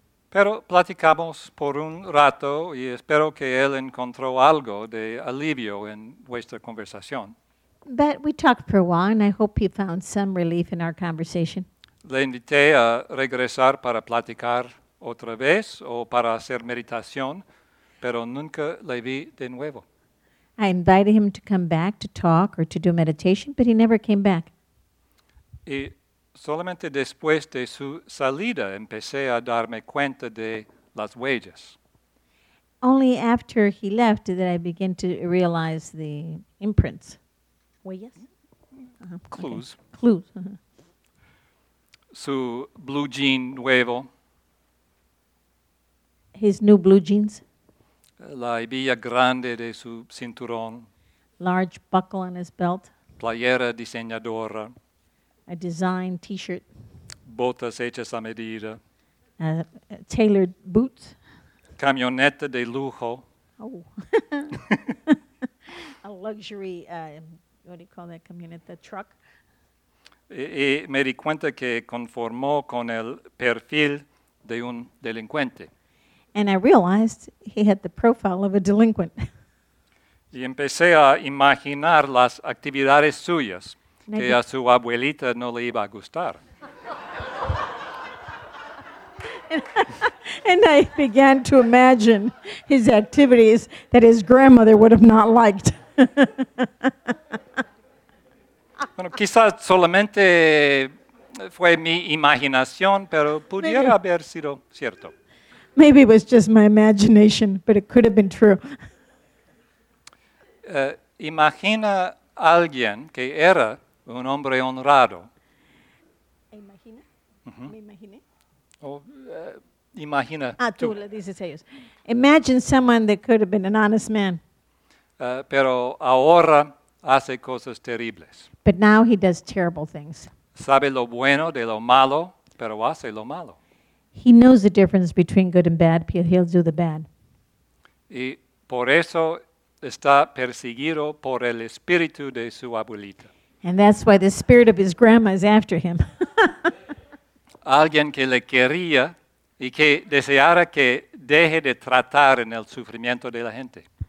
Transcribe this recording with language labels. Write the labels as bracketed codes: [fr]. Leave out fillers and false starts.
[es] Pero platicamos por un rato y espero que él encontró algo de alivio en vuestra conversación. [en] But we talked for a while and I hope he found some relief in our conversation. [es] Le invité a regresar para platicar otra vez o para hacer meditación, pero nunca le vi de nuevo. [en] I invited him to come back to talk or to do meditation, but he never came back. [es] Y solamente después de su salida empecé a darme cuenta de las huellas. [en] Only after he left did I begin to realize the imprints. Huellas? Clues. Okay. Clues. [es] Su blue jean nuevo. [en] His new blue jeans. [es] La hebilla grande de su cinturón. [en] Large buckle on his belt. [es] Playera diseñadora. [en] A design t-shirt. [es] Botas hechas a medida. [en] Tailored boots. [es] Camioneta de lujo. Oh. [en] A luxury, what do you call that, camioneta truck. [es] Y me di cuenta que conformó con el perfil de un delincuente. [en] And I realized he had the profile of a delinquent. [es] Y empecé a imaginar las actividades suyas. Que a su abuelita no le iba a gustar. [en] And I began to imagine his activities that his grandmother would have not liked. [es] Bueno, quizás solamente fue mi imaginación, pero pudiera maybe haber sido cierto. [en] Maybe it was just my imagination, but it could have been true. [es] Imagina alguien que era un hombre honrado. Imagina. Uh-huh. Me imaginé. Imagina. Ah, tú le dices a ellos. [en] Imagine someone that could have been an honest man. [es] Pero ahora hace cosas terribles. [en] But now he does terrible things. [es] Sabe lo bueno de lo malo, pero hace lo malo. [en] He knows the difference between good and bad, but he'll do the bad. [es] Y por eso está perseguido por el espíritu de su abuelita. [en] And that's why the spirit of his grandma is after him. [es] Alguien que le quería y que deseara que deje de tratar en el sufrimiento de la gente.